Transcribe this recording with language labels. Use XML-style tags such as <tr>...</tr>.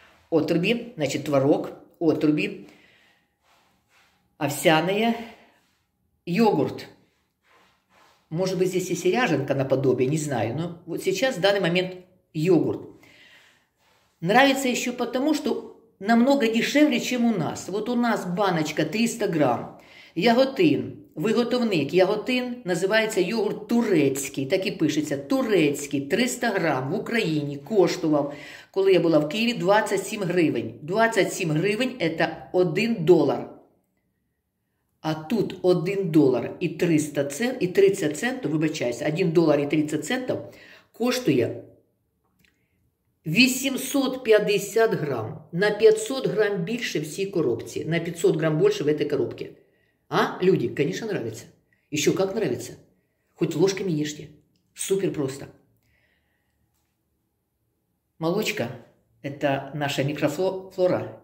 <ru>Отруби, значит, творог, отруби, овсяные, йогурт. Может быть, здесь есть и ряженка наподобие, не знаю. Но вот сейчас, в данный момент, йогурт. Нравится еще потому, что намного дешевле, чем у нас. Вот у нас баночка 300 грамм.</ru> <uk>Яготин, виготовник, яготин, називається йогурт турецький, так і пишеться, турецький, 300 грамм в Україні коштував, коли я була в Києві, 27 гривень. 27 гривень – це 1 долар. А тут 1 долар і 300 цент, і 30 центів, вибачаюся, 1 долар і 30 центів коштує 850 грамм.</uk> <ru>На 500 грамм больше всей коробки. На 500 грамм больше в этой коробке. А, люди, конечно, нравится. Еще как нравится. Хоть ложками ешьте. Супер просто. Молочка – это наша микрофлора.</ru>